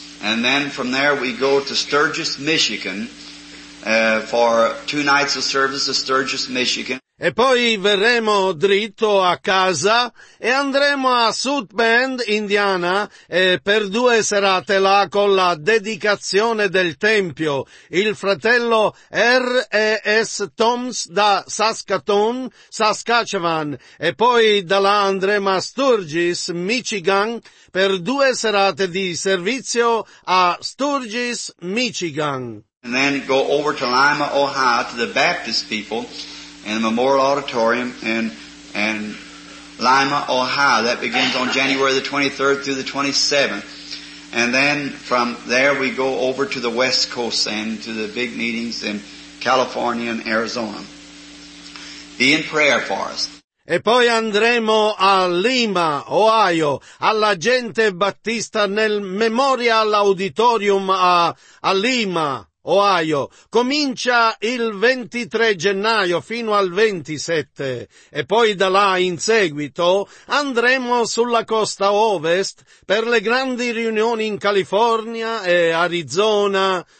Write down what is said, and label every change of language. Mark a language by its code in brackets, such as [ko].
[en] And then from there we go to Sturgis, Michigan for two nights of service to Sturgis, Michigan. [it] E poi verremo dritto a casa e andremo a South Bend, Indiana, per due serate là con la dedicazione del Tempio. Il fratello R.E.S. Toms da Saskatoon, Saskatchewan. E poi da là andremo a Sturgis, Michigan, per due serate di servizio a Sturgis, Michigan. [en] And then go over to Lima, Ohio, to the Baptist people. And the Memorial Auditorium in Lima, Ohio. That begins on January the 23rd through the 27th. And then from there we go over to the West Coast and to the big meetings in California and Arizona. Be in prayer for us. [it] E poi andremo a Lima, Ohio, alla gente battista nel Memorial Auditorium a Lima. Ohio, comincia il 23 gennaio fino al 27 e poi da là in seguito andremo sulla costa ovest per le grandi riunioni in California e Arizona.